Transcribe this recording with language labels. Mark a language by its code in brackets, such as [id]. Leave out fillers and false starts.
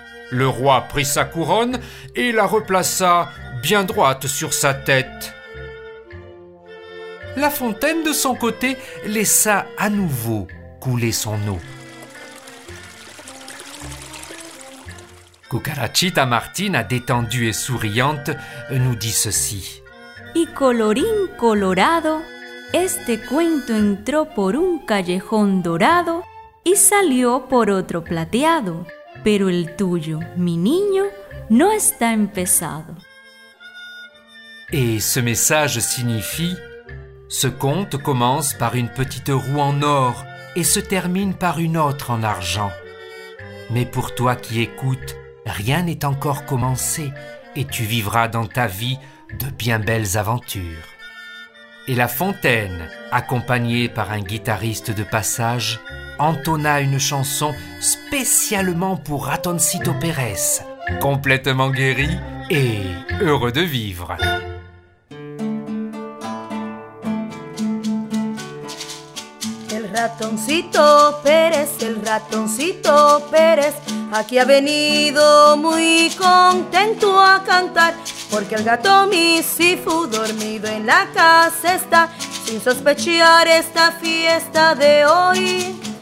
[fr] Le roi prit sa couronne et la replaça bien droite sur sa tête. La fontaine, de son côté, laissa à nouveau couler son eau. Cucarachita Martina, détendue et souriante, nous dit ceci. [es] Y colorín colorado, este cuento entró por un callejón dorado y salió por otro plateado, pero el tuyo, mi niño, no está empezado. [fr] Et ce message signifie ce conte commence par une petite roue en or et se termine par une autre en argent. Mais pour toi qui écoutes, rien n'est encore commencé et tu vivras dans ta vie de bien belles aventures. Et la fontaine, accompagnée par un guitariste de passage, entonna une chanson spécialement pour Ratoncito Pérez, complètement guéri et heureux de vivre. [es] El ratoncito Pérez, el ratoncito Pérez, aquí ha venido muy contento a cantar. Porque el gato Misifu dormido en la casa está, sin sospechar esta fiesta de hoy.